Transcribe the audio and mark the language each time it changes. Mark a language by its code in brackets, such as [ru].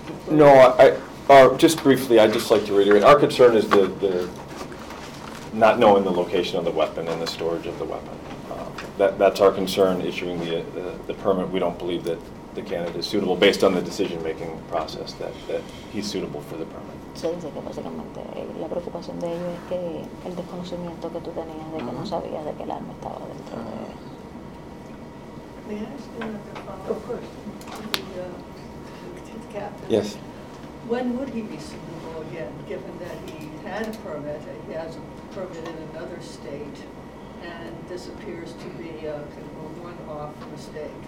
[en] No, just briefly, I'd just like to reiterate. Our concern is the not knowing the location of the weapon and the storage of the weapon. That's our concern, issuing the permit. We don't believe that the candidate is suitable, based on the decision-making process, that he's suitable for the permit. [es] Se dice que básicamente la preocupación de ellos es que el desconocimiento que tú tenías de que no sabías de que el arma estaba dentro de él. [en] May I ask you another follow-up question? Captain. Yes. When would he be suitable again, given that he had a permit, he has a permit in another state, and this appears to be a kind of a one-off mistake?